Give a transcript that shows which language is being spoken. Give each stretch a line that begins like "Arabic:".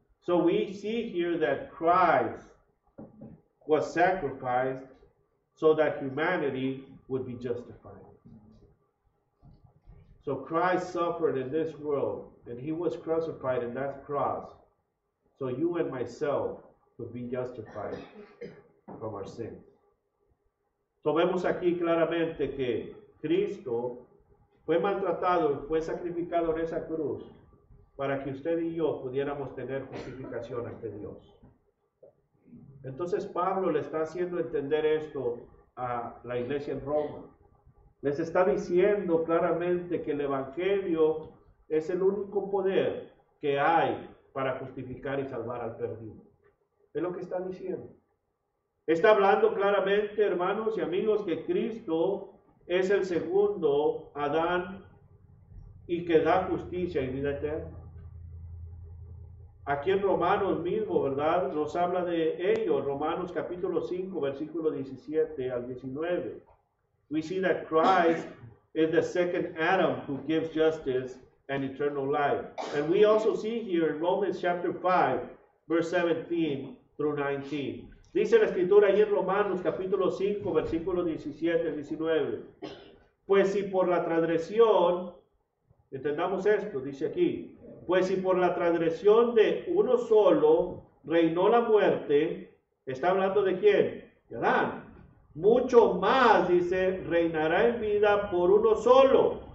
English: So we see here that Christ was sacrificed so that humanity would be justified. So Christ suffered in this world, and he was crucified in that cross, so you and myself would be justified from our sins.
Spanish: So vemos aquí claramente que Cristo fue maltratado y fue sacrificado en esa cruz para que usted y yo pudiéramos tener justificación ante Dios. Entonces Pablo le está haciendo entender esto a la iglesia en Roma. Les está diciendo claramente que el evangelio es el único poder que hay para justificar y salvar al perdido. Es lo que está diciendo. Está hablando claramente, hermanos y amigos, que Cristo es el segundo Adán y que da justicia y vida eterna. Aquí en Romanos mismo, ¿verdad?, nos habla de ello. Romanos capítulo 5, versículo 17 al 19.
English: We see that Christ is the second Adam who gives justice and eternal life. And we also see here in Romans chapter 5, verse 17 through 19.
Spanish: Dice la Escritura ahí en Romanos capítulo 5, versículo 17 al 19. Pues si por la transgresión, entendamos esto, dice aquí, pues si por la transgresión de uno solo reinó la muerte, está hablando de quién, de Adán, mucho más, dice, reinará en vida por uno solo.